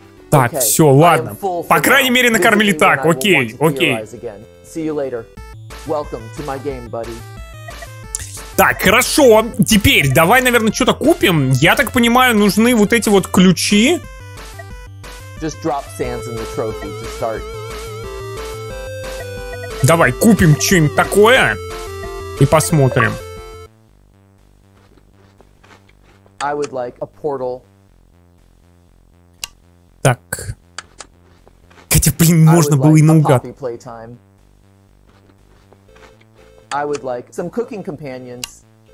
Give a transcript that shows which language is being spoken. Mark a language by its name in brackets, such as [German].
[Russian] Так, все, ладно. По крайней мере, накормили так, окей, окей. [English] See you later. Welcome to my game, buddy. [Russian] Так, хорошо, теперь давай, наверное, что-то купим. Я так понимаю, нужны вот эти вот ключи. [English] Just drop sands in the trophy to start. [Russian] Давай, купим что-нибудь такое и посмотрим. [English] I would like a portal. [Russian] Так. Хотя, блин, можно было и наугад. [English] I would like some cooking companions.